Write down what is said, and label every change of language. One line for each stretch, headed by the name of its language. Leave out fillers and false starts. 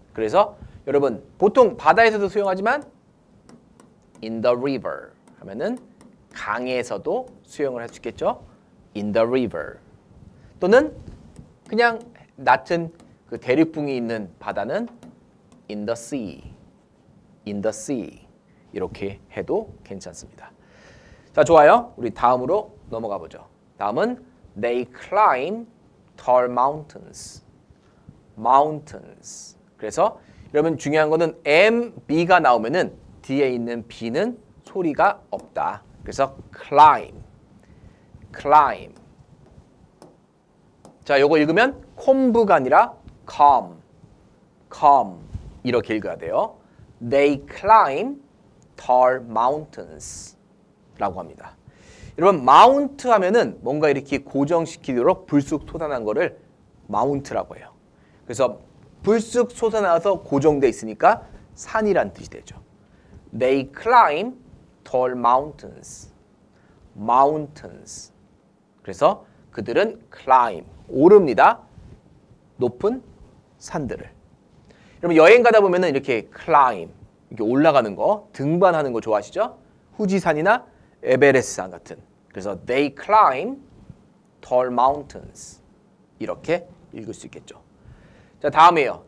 Korean: 그래서 여러분 보통 바다에서도 수영하지만
English: in the river
Korean: 하면은 강에서도 수영을 할 수 있겠죠?
English: in the river.
Korean: 또는 그냥 낮은 그 대륙붕이 있는 바다는
English: in the sea. in the sea.
Korean: 이렇게 해도 괜찮습니다. 자, 좋아요. 우리 다음으로 넘어가 보죠. 다음은
English: they climb tall mountains. mountains.
Korean: 그래서 여러분 중요한 거는 m b가 나오면은 뒤에 있는 b는 소리가 없다. 그래서
English: climb. climb.
Korean: 자, 요거 읽으면 콤부가 아니라 come. come 이렇게 읽어야 돼요.
English: they climb tall mountains
Korean: 라고 합니다. 여러분 마운트 하면은 뭔가 이렇게 고정시키도록 불쑥 솟아난 거를 마운트라고 해요. 그래서 불쑥 솟아나서 고정돼 있으니까 산이란 뜻이 되죠.
English: They climb tall mountains. Mountains.
Korean: 그래서 그들은 climb 오릅니다. 높은 산들을. 여러분 여행 가다 보면은 이렇게 climb 이렇게 올라가는 거 등반하는 거 좋아하시죠? 후지산이나 에베레스트 산 같은. 그래서
English: they climb tall mountains
Korean: 이렇게 읽을 수 있겠죠. 자, 다음이에요.